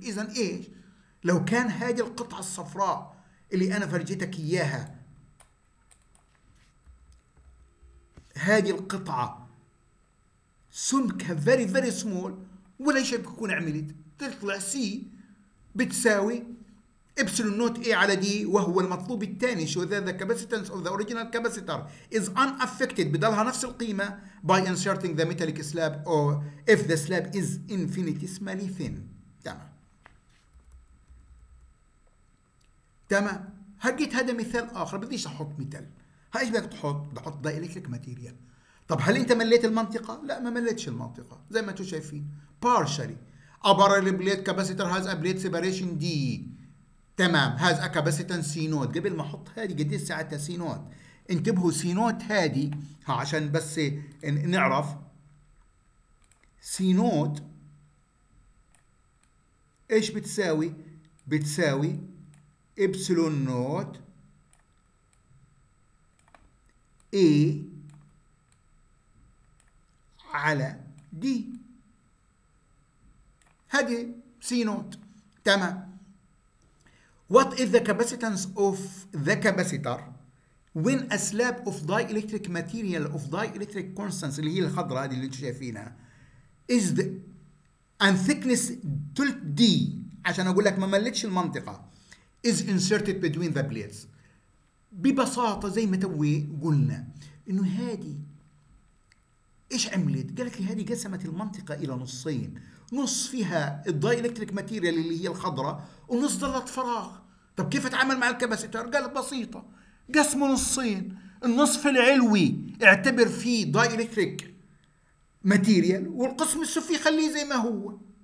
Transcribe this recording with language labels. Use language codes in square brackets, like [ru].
[ar] اذا ايش لو كان هذه القطعه الصفراء اللي انا فرجيتك اياها، هذه القطعه سمكها [en] very very small [ar] ولا شيء، بكون عملت تطلع c بتساوي epsilon not a على d، وهو المطلوب الثاني شو ذا، [en] the capacitance of the original capacitor is unaffected، [ar] بدلها نفس القيمة [en] by inserting the metallic slab or if the slab is infinitesimally thin. [ar] تمام. هجيت هذا مثال آخر، بديش أحط مثال، هايش بدك تحط؟ بحط dielectric material. طب هل انت مليت المنطقة؟ لا، ما مليتش المنطقة زي ما انتو شايفين partially. [en] A parallel plate capacitor has a plate separation d. [ar] تمام. هذا كاباسيتان سي نوت، قبل ما احط هذه قد ايش ساعتها سي نوت، انتبهوا سي نوت هذه عشان بس نعرف، سي نوت ايش بتساوي؟ بتساوي ابسلون نوت اي على دي، هذه سي نوت. تمام. [en] What is the capacitance of the capacitor when a slab of dielectric material of dielectric constant [ar] اللي هي الخضراء دي اللي انتو شايفينها [en] is the and thickness 3 d، [ar] عشان اقول لك ما ملتش المنطقة، [en] is inserted between the plates. [ar] ببساطة زي ما توي قلنا انه هادي ايش عملت؟ قالت لي هادي قسمت المنطقة الى نصين، نص فيها الداي الكتريك ماتيريال اللي هي الخضراء ونص ظلت فراغ. طب كيف اتعامل مع الكباسيتر؟ قالت بسيطة، قسمه نصين، النصف العلوي اعتبر فيه داي الكتريك ماتيريال والقسم السفلي خليه زي ما هو.